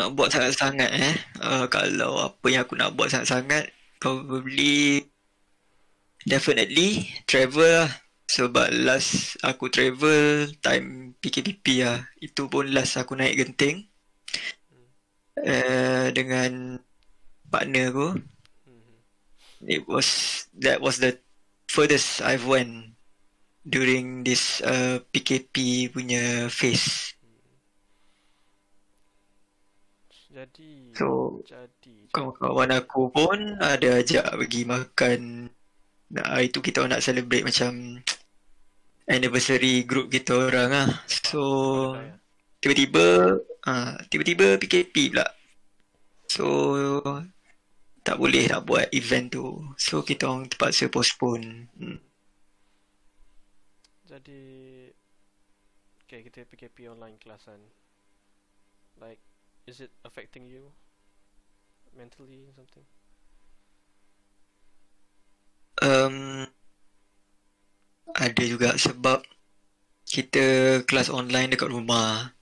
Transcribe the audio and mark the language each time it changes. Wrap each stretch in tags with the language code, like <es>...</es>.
<ms>nak buat sangat-sangat eh, kalau apa yang aku nak buat sangat-sangat,</ms> <en>probably definitely travel</en> <ms>lah. Sebab last aku travel time PKPP lah, itu pun last aku naik genting dengan partner aku.</ms> <en>It was, that was the furthest I've went during this PKP punya phase.</en> <ms>Jadi,</ms> <en>So</en> <ms>jadi, jadi. kawan-kawan aku pun ada ajak pergi makan. Nah, itu kita nak celebrate macam anniversary group kita orang lah. So Kedai ya. tiba-tiba tiba-tiba PKP pula. So tak boleh nak buat event tu. So kita orang terpaksa postpone. Jadi, okay, kita PKP online kelas kan.</ms> <en>Like, is it affecting you mentally or something?</en> <ms>Ada juga sebab kita kelas online dekat rumah.</ms>